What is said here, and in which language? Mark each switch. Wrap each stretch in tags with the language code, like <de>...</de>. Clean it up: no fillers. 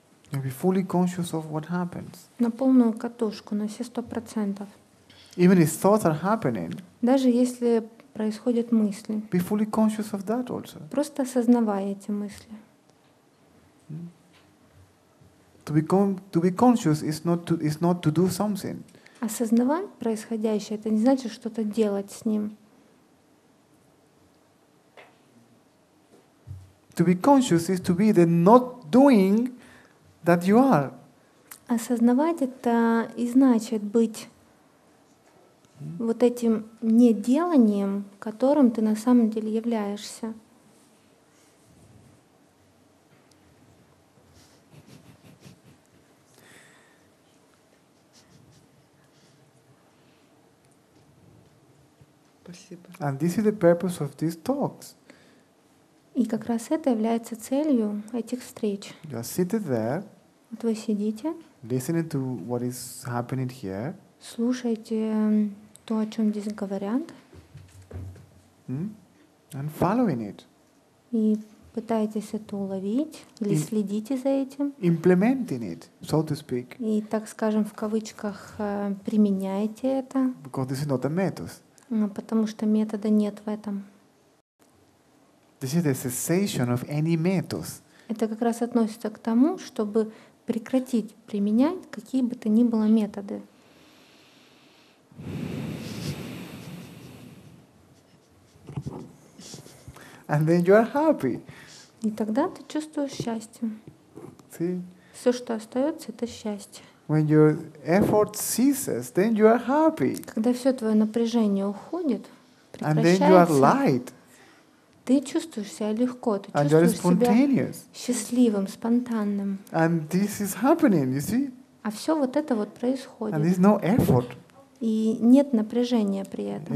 <en>You'll be fully conscious of what happens.</en> <ru>На полную катушку, на все 100%.</ru> <en>Even if thoughts are happening.</en> <ru>Даже если происходят мысли.</ru> <en>Be fully conscious of that also.</en> <ru>Просто осознавай эти мысли.</ru> <en>To be conscious is not to do something.</en> <ru>Осознавать происходящее это не значит что-то делать с ним.</ru> <en>To be conscious is to be the not doing that you are.</en> <ru>Осознавать это и значит быть вот этим неделанием, которым ты на самом деле являешься. Спасибо.</ru> <en>And this is the purpose of these talks.</en> <ru>И как раз это является целью этих встреч.</ru> <en>You are seated there.</en> <ru>Вот вы сидите.</ru> <en>Listening to what is happening here.</en> <ru>Слушайте то, о чем здесь говорят.</ru> <en>And following it.</en> <ru>И пытаетесь это уловить или следите за этим.</ru> <en>Implementing it, so to speak.</en> <ru>И, так скажем, в кавычках применяете это.</ru> <en>Because this is not a method.</en> <ru>Потому что метода нет в этом.</ru> <en>This is the cessation of any method.</en> <ru>Это как раз относится к тому, чтобы прекратить применять какие бы то ни было методы.</ru> <en>And then you are happy.</en> <ru>И тогда ты чувствуешь счастье.</ru> <en>See?</en> <ru>Все, что остается, это счастье.</ru> <en>When your effort ceases, then you are happy.</en> <ru>Когда все твое напряжение уходит, прекращается.</ru> <en>And then you are light.</en> <ru>Ты чувствуешь себя легко, ты чувствуешь себя счастливым, спонтанным.</ru> <en>And this is happening, you see?</en> <ru>А все вот это вот происходит.</ru> <en>And there's no effort.</en> <ru>И нет напряжения при этом.</ru>